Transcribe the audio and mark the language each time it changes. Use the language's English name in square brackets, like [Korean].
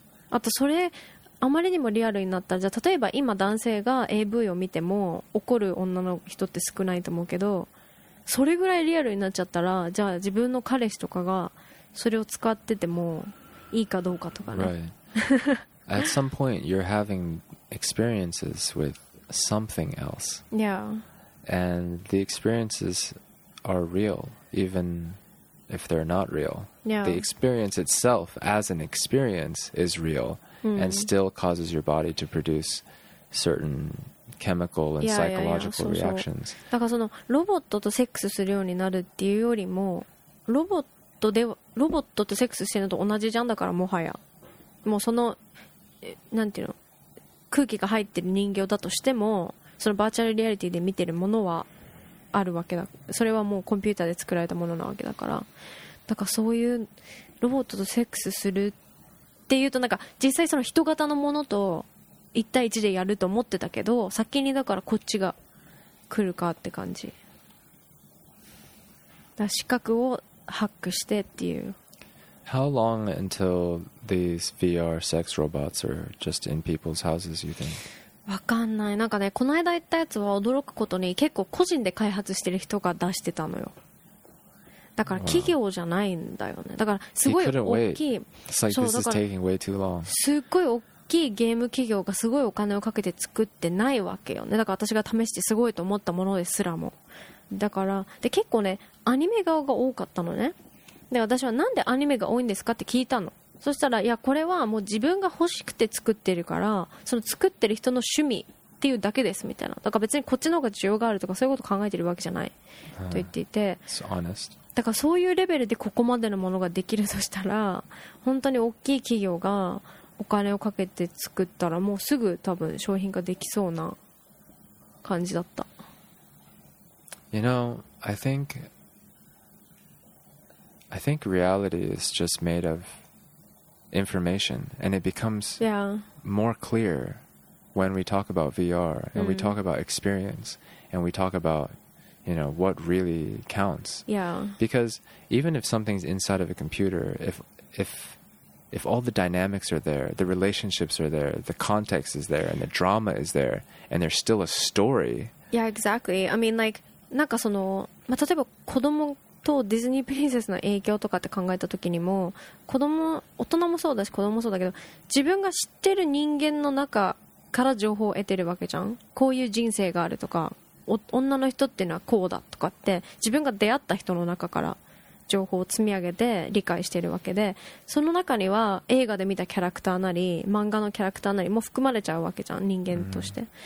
[Japanese] あとそれあまりにもリアルになったら、じゃあ例えば今男性が AV を見ても怒る女の人って少ないと思うけど、それぐらいリアルになっちゃったら、じゃあ自分の彼氏とかがそれを使っててもいいかどうかとかね。 [English] Right. At some point you're having experiences with something else. Yeah. And the experiences are real, even if they're not real. Yeah. The experience itself as an experience is real. And still causes your body to produce certain chemical and psychological reactions. [Japanese] だからそのロボットとセックスするようになるっていうよりも、ロボットとセックスしてるのと同じじゃん。だからもはや、もうその、なんていうの、空気が入ってる人形だとしても、そのバーチャルリアリティで見てるものはあるわけだ。それはもうコンピューターで作られたものなわけだから。だからそういうロボットとセックスするってっていうと、なんか実際その人型のものと一対一でやると思ってたけど、先にだからこっちが来るかって感じ。だから視覚をハックしてっていう。 [English] How long until these VR sex robots are just in people's houses, you think? [Japanese] わかんない。なんかね、この間言ったやつは驚くことに結構個人で開発してる人が出してたのよ。だから企業じゃないんだよね。だからすごい大きい。 [English] Like、そう、this is taking way too long. [Japanese] すっごい大きいゲーム企業がすごいお金をかけて作ってないわけよね。だから私が試してすごいと思ったものですらも。だから、で結構ね、アニメ側が多かったのね。で、私はなんでアニメが多いんですかって聞いたの。そしたら、いや、これはもう自分が欲しくて作ってるから、その作ってる人の趣味っていうだけですみたいな。だから別にこっちの方が需要があるとかそういうこと考えてるわけじゃないと言っていて。 [English] So honest. [Japanese] だからそういうレベルでここまでのものができるとしたら、本当に大きい企業がお金をかけて作ったら、もうすぐ多分商品ができそうな感じだった。 [English] You know, I think reality is just made of information, and it becomes more clear when we talk about VR and we talk about experience and we talk about, you know, what really counts. Yeah. Because even if something's inside of a computer, if all the dynamics are there, the relationships are there, the context is there, and the drama is there, and there's still a story. Yeah, exactly. I mean, like. [Japanese] なんかその、まあ、例えば子供とディズニープリンセスの影響とかって考えた時にも子供大人もそうだし子供もそうだけど自分が知ってる人間の中から情報を得てるわけじゃん。こういう人生があるとか女の人っていうのはこうだとかって自分が出会った人の中から情報を積み上げて理解してるわけでその中には映画で見たキャラクターなり漫画のキャラクターなりも含まれちゃうわけじゃん人間として。